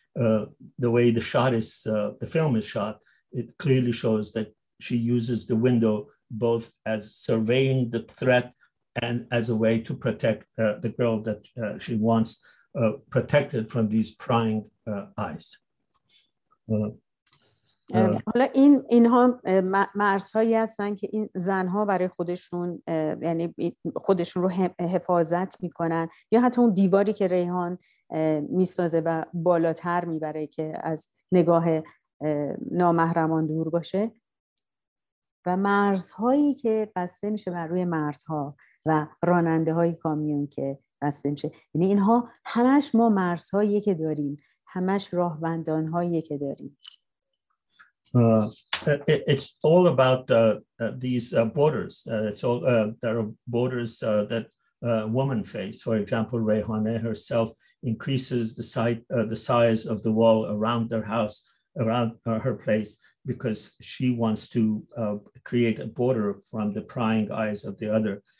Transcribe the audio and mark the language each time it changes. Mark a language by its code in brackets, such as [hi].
[en] The way the shot is, the film is shot, it clearly shows that she uses the window both as surveying the threat and as a way to protect the girl that she wants protected from these prying eyes. [fa] حالا این اینها مرزهایی هستن که این زنها برای خودشون یعنی خودشون رو حفاظت میکنن یا حتی اون دیواری که ریحان میسازه و بالاتر میبره که از نگاه نامحرمان دور باشه و مرزهایی که بسته میشه بر روی مردها و راننده های کامیون که بسته میشه یعنی اینها همش ما مرزهایی که داریم همش راهبندان هایی که داریم. [en] It's all about these borders. It's all there are borders that women face. For example, Reyhaneh herself increases the size of the wall around their house, around her place, because she wants to create a border from the prying eyes of the other.